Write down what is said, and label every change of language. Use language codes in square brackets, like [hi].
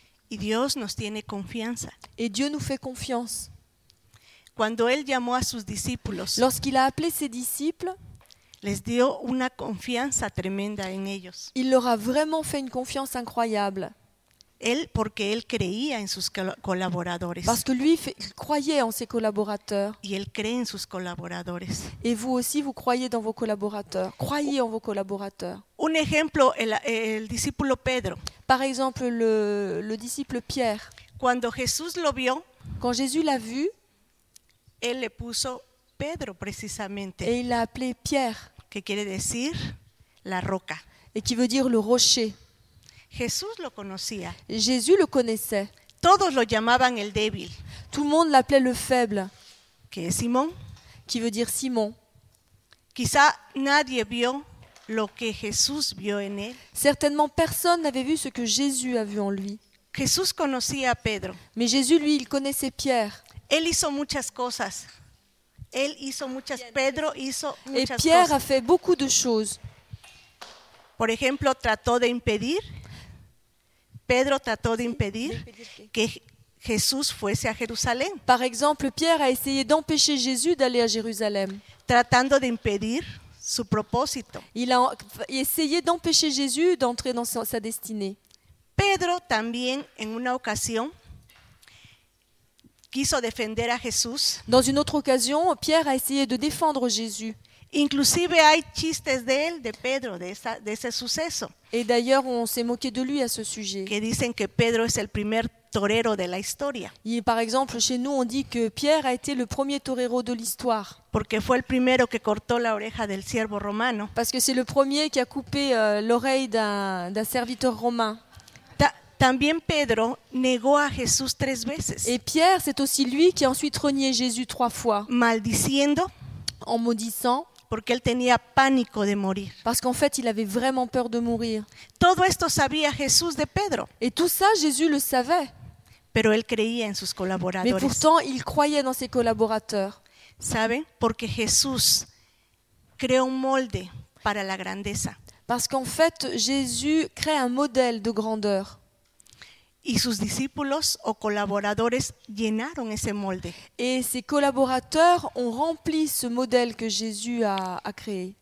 [es] Y Dios nos tiene confianza. [fr] Et Dieu nous fait confiance. [es] Cuando él llamó a sus discípulos, [fr] lorsqu'il a appelé ses disciples, [es] les dio una confianza tremenda en ellos. [fr] Il leur a vraiment fait une confiance incroyable. [es] Él, porque él creía en sus colaboradores. [fr] Parce que lui il croyait en ses collaborateurs. [es] Y él cree en sus colaboradores. [fr] Et vous aussi vous croyez dans vos collaborateurs. Croyez en vos collaborateurs. [es] Un ejemplo el discípulo Pedro. [fr] Par exemple le disciple Pierre. [es] Cuando Jesús lo vio, [fr] quand Jésus l'a vu, [es] él le puso Pedro precisamente. [fr] Et il l'a appelé Pierre. [es] Que quiere decir la roca. [fr] Et qui veut dire le rocher. [es] Jesús lo conocía. [fr] Jésus le connaissait. [es] Todos lo llamaban el débil. [fr] Tout le monde l'appelait le faible. [es] Que es Simón. [fr] qui veut dire Simon. [es] Quizá nadie vio lo que Jesús vio en él. [fr] Certainement personne n'avait vu ce que Jésus a vu en lui. [es] Jesús conocía Pedro. [fr] Mais Jésus, lui, il connaissait Pierre. [es] Él hizo muchas cosas. Él hizo muchas. Pedro hizo muchas. [fr] Et Pierre [es] cosas. [fr] A fait beaucoup de choses. [es] Por ejemplo, trató de impedir. Pedro trató de impedir que Jesús fuese a Jerusalén. [fr] Par exemple, Pierre a essayé d'empêcher Jésus d'aller à Jérusalem. [es] Tratando de impedir su propósito. [fr] Il a essayé d'empêcher Jésus d'entrer dans sa destinée. [es] Pedro también en una ocasión quiso defender a Jesús. [fr] Dans une autre occasion, Pierre a essayé de défendre Jésus. [es] Inclusive hay chistes de él, de Pedro, de ese suceso. [fr] Et d'ailleurs, on s'est moqué de lui à ce sujet. [es] Que dicen que Pedro es el primer torero de la historia. [fr] Y par exemple, chez nous, on dit que Pierre a été le premier torero de l'histoire. [es] Porque fue el primero que cortó la oreja del siervo romano. [fr] Parce que c'est le premier qui a coupé l'oreille d'un serviteur romain. [es] También Pedro negó a Jesús tres veces. [fr] Et Pierre, c'est aussi lui qui a ensuite renié Jésus trois fois. [es] Maldiciendo. [fr] En maudissant. [es] Porque él tenía pánico de morir. [fr] Parce qu'en fait, il avait vraiment peur de mourir. [es] Todo esto sabía Jesús de Pedro. [fr] Et tout ça, Jésus le savait. [es] Pero él creía en sus colaboradores. [fr] Mais pourtant, il croyait dans ses collaborateurs. [es] ¿Saben? Porque Jesús creó un molde para la grandeza. [fr] Parce qu'en fait, Jésus crée un modèle de grandeur. [es] Y sus discípulos o colaboradores llenaron ese molde. [fr] Et ses collaborateurs ont rempli ce modèle que Jésus a créé.